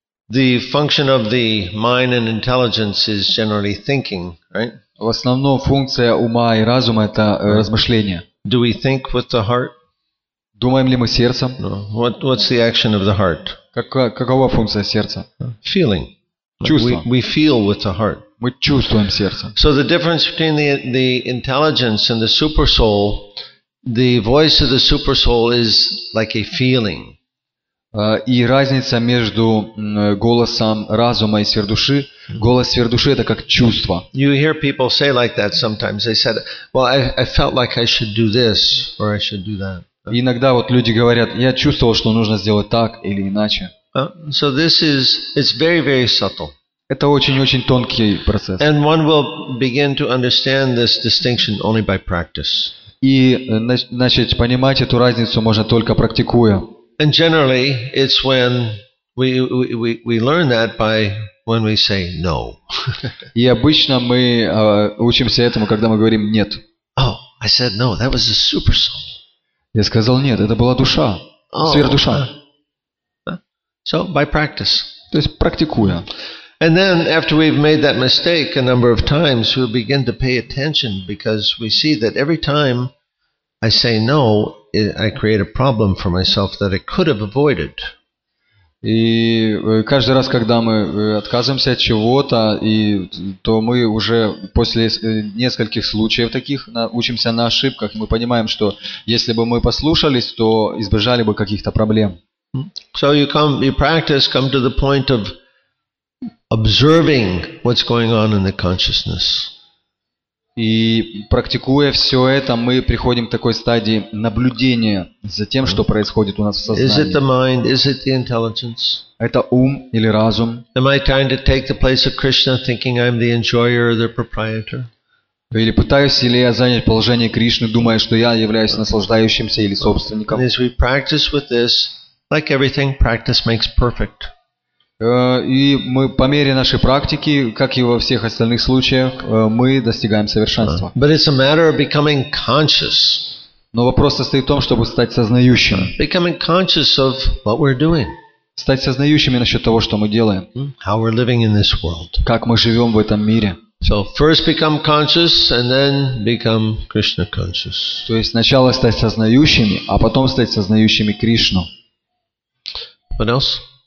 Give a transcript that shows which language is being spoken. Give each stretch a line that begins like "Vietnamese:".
English: The function of the mind and intelligence is generally thinking, right?
Russian: В основном функция ума и разума это размышление.
English: Do we think with the heart?
Russian: Думаем ли мы сердцем?
English: No. What's the action of the heart?
Russian: Какова функция сердца?
English: Feeling.
Russian: Чувство.
English: We feel with the heart.
Russian: Мы чувствуем сердцем.
English: So the difference between the intelligence and the super soul, the voice of the super soul is like a feeling.
Russian: И разница между голосом разума и сверхдуши. Голос сверхдуши это как чувство.
English: You hear people say like that sometimes. They said, "Well, I felt like I should do this or I should do that."
Russian: Иногда вот люди говорят, я чувствовал, что нужно сделать так или иначе.
English: So this is, it's very, very subtle.
Russian: Это очень-очень тонкий процесс.
English: And one will begin to understand this distinction only by practice.
Russian: И начать понимать эту разницу можно только практикуя.
English: And generally, it's when we learn that by when we say no.
Russian: И обычно мы учимся этому, когда мы говорим нет.
English: Oh, I said no. That was a super soul.
Russian: Я сказал нет. Это была душа, сверхдуша.
English: So by practice.
Russian: То есть практикуя.
English: And then after we've made that mistake a number of times, we begin to pay attention because we see that every time I say no, I create a problem for myself that I could have avoided.
Russian: И каждый раз, когда мы отказываемся от чего-то, и то мы уже после нескольких случаев таких учимся на ошибках, мы понимаем, что если бы мы послушались, то избежали бы каких-то проблем.
English: So you practice, come to the point of observing what's going on in the consciousness.
Russian: И практикуя все это, мы приходим к такой стадии наблюдения за тем, что происходит у нас в сознании.
English: Is it the mind? Is it the intelligence?
Russian: Это ум или разум?
English: Am I trying to take the place of Krishna, thinking I'm the enjoyer or the proprietor?
Russian: Или пытаюсь ли я занять положение Кришны, думая, что я являюсь наслаждающимся или собственником?
English: As we practice with this, like everything, practice makes perfect.
Russian: И мы по мере нашей практики, как и во всех остальных случаях, мы достигаем совершенства.
English: But it's a matter of becoming conscious.
Russian: Но вопрос состоит в том, чтобы стать сознающим.
English: Becoming conscious of what we're doing.
Russian: Стать сознающими насчет того, что мы делаем.
English: How we're living in this world.
Russian: Как мы живем в этом мире.
English: So first become conscious and then become Krishna conscious.
Russian: То есть сначала стать сознающими, а потом стать сознающими Кришну.
English: What else?